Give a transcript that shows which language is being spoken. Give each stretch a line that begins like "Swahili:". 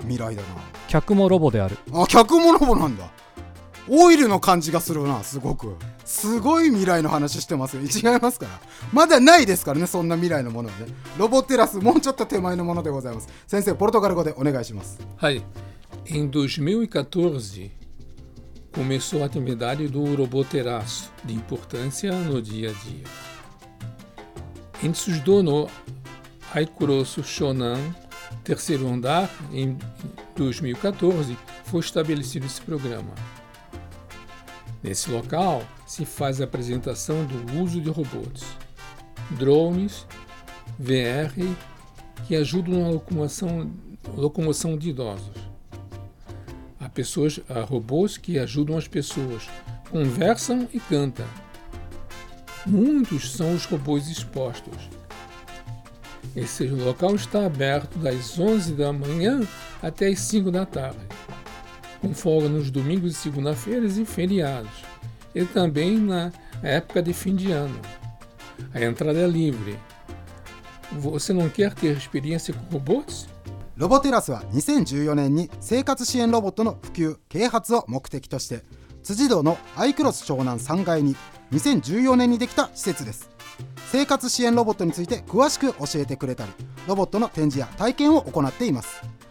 Japanese: 未来だな。客もロボである。あ、客もロボなんだ。オイルの感じがするな、すごく。すごい未来の話してますよ。違いますから、まだないですからね、そんな未来のものはね。ロボテラス、もうちょっと手前のものでございます。先生、ポルトガル語でお願いします。
Portuguese: はい、em 2014 começou a atividade do robô terraço de importância no dia a dia. Em Suzdono, Aikurosu Shonan, terceiro andar, em 2014, foi estabelecido esse programa. Nesse local, se faz a apresentação do uso de robôs, drones, VR, que ajudam na locomoção de idosos. Há pessoas, há robôs que ajudam as pessoas, conversam e cantam. Muitos são os robôs expostos. Esse local está aberto das 11 da manhã até as 5 da tarde, com folga nos domingos e segunda-feiras e feriados, e também na época de fim de ano. A entrada é livre. Você não quer ter experiência com robôs?
Japanese: ロボテラスは2014年に生活支援ロボットの普及・啓発を目的として辻堂のアイクロス湘南3階に2014年にできた施設です。生活支援ロボットについて詳しく教えてくれたり、ロボットの展示や体験を行っています。